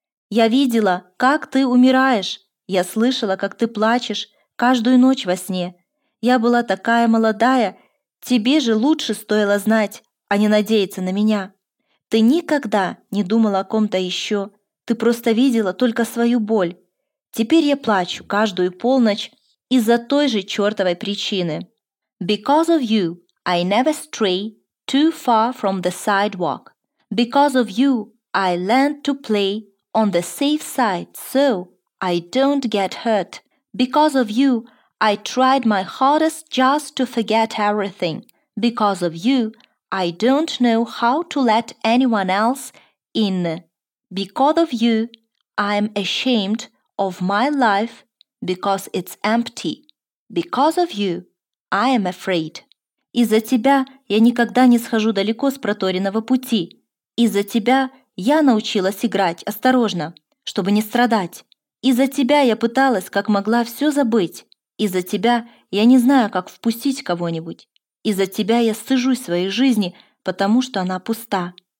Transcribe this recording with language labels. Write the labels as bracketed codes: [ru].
[ru] Я видела, как ты умираешь. Я слышала, как ты плачешь каждую ночь во сне. Я была такая молодая. Тебе же лучше стоило знать, а не надеяться на меня. Ты никогда не думала о ком-то еще. Ты просто видела только свою боль. Теперь я плачу каждую полночь из-за той же чертовой причины. [en] Because of you, I never stray too far from the sidewalk. Because of you, I learned to play on the safe side so I don't get hurt. Because of you, I tried my hardest just to forget everything. Because of you, I don't know how to let anyone else in. Because of you, I'm ashamed of my life because it's empty. Because of you, I am afraid. [ru] Из-за тебя я никогда не схожу далеко с проторенного пути. Из-за тебя я научилась играть осторожно, чтобы не страдать. Из-за тебя я пыталась, как могла, все забыть. Из-за тебя я не знаю, как впустить кого-нибудь. Из-за тебя я стыжусь своей жизни, потому что она пуста.